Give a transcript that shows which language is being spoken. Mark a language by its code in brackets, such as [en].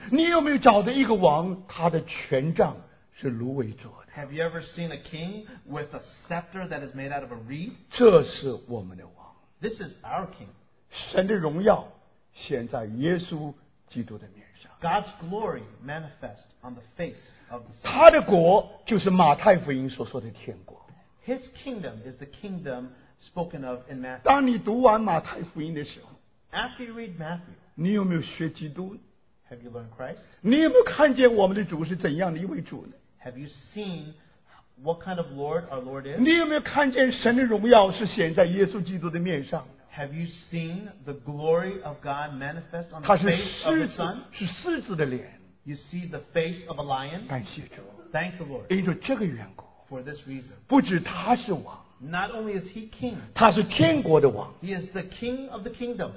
[zh] 你有没有找到一个王？他的权杖是芦苇做的。 [en] Have you ever seen a king with a scepter that is made out of a reed? [zh] 这是我们的王。 [en] This is our king. [zh] 神的荣耀显在耶稣基督的面上。 [en] God's glory manifests on the face of the Son. [zh] 他的国就是马太福音所说的天国。 [en] His kingdom is the kingdom spoken of in Matthew. [zh] 当你读完马太福音的时候, [en] After you read Matthew, [zh] 你有没有学基督? [en] Have you learned Christ? [zh] 你有没有看见我们的主是怎样的一位主呢? [en] Have you seen what kind of Lord our Lord is? [zh] 你有没有看见神的荣耀是显在耶稣基督的面上? [en] Have you seen the glory of God manifest on the face of the Son? [zh] 是狮子的脸。 [en] You see the face of a lion? [zh] 感谢主。 [en] Thank the Lord. [zh] 因着这个缘故, [en] For this reason. [zh] 不止他是王, [en] Not only is he king, [zh] 他是天国的王, [en] he is the king of the kingdom.